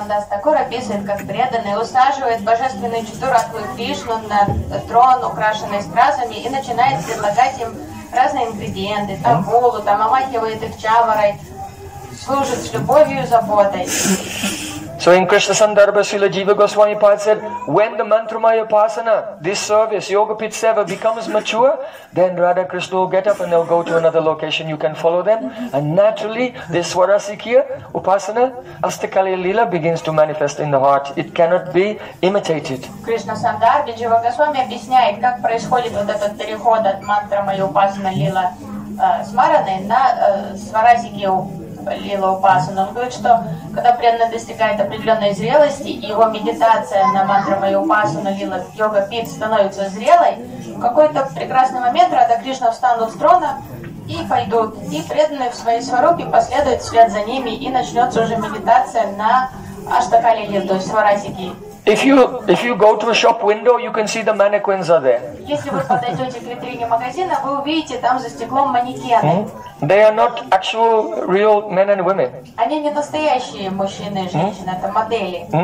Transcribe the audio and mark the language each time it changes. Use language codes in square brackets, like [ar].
[ru] Такур описывает, как преданный усаживает божественную четуратую Кришну на трон, украшенный стразами, и начинает предлагать им разные ингредиенты, тамбулу, там омахивает их чамарой, служит с любовью и заботой. [en] So in Krishna Sandarbha, Srila Jiva Goswami Pad said, when the mantramaya pasana, this service, yoga pit seva, becomes mature, then Radha Krishna will get up and they'll go to another location. You can follow them. And naturally, this swarasikya, upasana, astakali lila begins to manifest in the heart. It cannot be imitated. [ru] Krishna Sandarbha, Jiva Goswami объясняет, как происходит вот этот переход от мантрамаи упасана лила смараны на сварасики лила упасана. Он говорит, что когда преданный достигает определенной зрелости, его медитация на мантрамаи упасана лила йога пит становится зрелой, в какой-то прекрасный момент Радха Кришна встанут с трона и пойдут, и преданные в своей сварупе последуют вслед за ними, и начнется уже медитация на аштакали лила, то есть сварасики. [en] If you go to a shop window, you can see the mannequins are there. [ru] Если вы подойдете к витрине магазина, вы увидите там за стеклом манекены. [en] They are not actual real men and women. [ru] Они не настоящие мужчины и женщины, это модели.